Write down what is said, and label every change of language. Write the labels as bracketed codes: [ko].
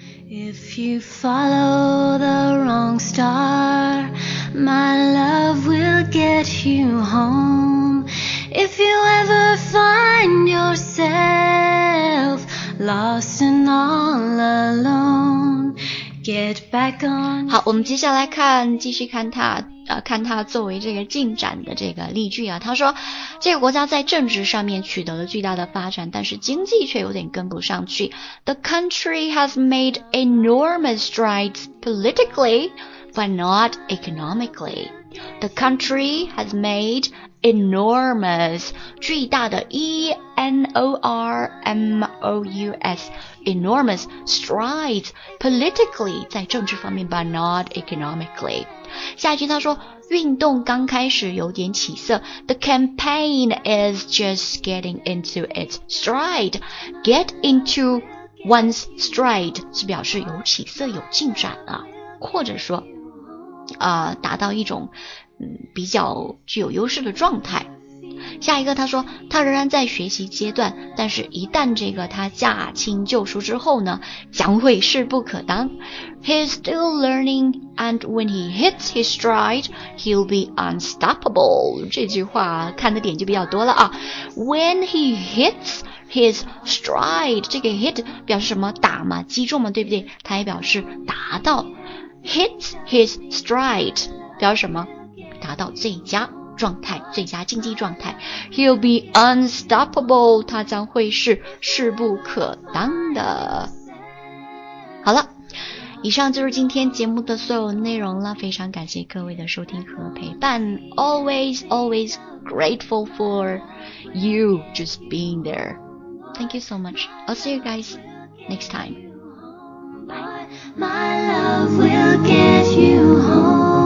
[en] If you follow the wrong star, my love will get you home. If you ever find yourself lost and all alone, get back on. [zh] 好，我们接下来看，继续看它。看他作为这个进展的这个例句啊，他说这个国家在政治上面取得了巨大的发展，但是经济却有点跟不上去。 [en] The country has made enormous strides politically but not economically. The country has made enormous [zh] 巨大的 [en] E-N-O-R-M-O-U-S enormous strides politically [zh] 在政治方面 [en] but not economically. [zh] 下一句他说运动刚开始有点起色。 [en] The campaign is just getting into its stride. Get into one's stride [zh] 是表示有起色有进展了、或者说达到一种比较具有优势的状态。下一个他说他仍然在学习阶段，但是一旦这个他驾轻就熟之后呢，将会势不可当。 [en] He's still learning and when he hits his stride he'll be unstoppable. [zh] 这句话看的点就比较多了啊。 [en] When he hits his stride [zh] 这个 [en] hit [zh] 表示什么？打嘛，击中嘛，对不对？他也表示达到。 [en] Hits his stride [zh] 表示什么？达到最佳状态，最佳竞技状态。 [en] He'll be unstoppable， [zh] 他将会是势不可当的。好了，以上就是今天节目的所有内容了，非常感谢各位的收听和陪伴。 [en] Always always grateful for you just being there. Thank you so much. I'll see you guys next time. My love will get you home.